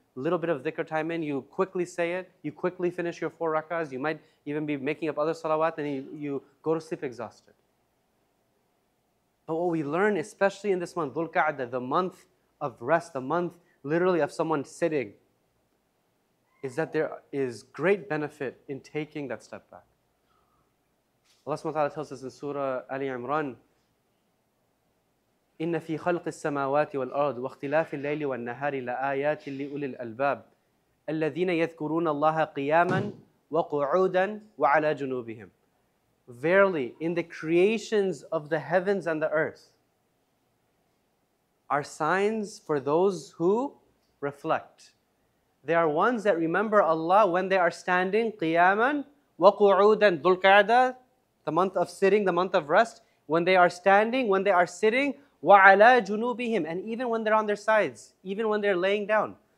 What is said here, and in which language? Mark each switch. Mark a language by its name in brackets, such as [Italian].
[English] little bit of dhikr time in, you quickly say it, you quickly finish your four rak'ahs, you might even be making up other salawat, and you go to sleep exhausted. But what we learn, especially in this month, Dhul-Qa'dah, the month of rest, the month literally of someone sitting, is that there is great benefit in taking that step back. Allah subhanahu wa ta'ala tells us in Surah Ali Imran, [Arabic] إِنَّ فِي خَلْقِ السَّمَاوَاتِ وَالْأَرْضِ وَاخْتِلَافِ اللَّيْلِ وَالنَّهَارِ لَآيَاتٍ لِّأُولِي الْأَلْبَابِ الَّذِينَ يَذْكُرُونَ اللَّهَ قِيَامًا وَقُعُودًا وَعَلَى جُنُوبِهِمْ. [English] Verily, in the creations of the heavens and the earth are signs for those who reflect. They are ones that remember Allah when they are standing, [Arabic] قِيَامًا وَقُعُودًا. [English] Dhul-Qa'dah, the month of sitting, the month of rest, when they are standing, when they are sitting, [Arabic] وَعَلَىٰ جُنُوبِهِمْ, [English] and even when they're on their sides, even when they're laying down.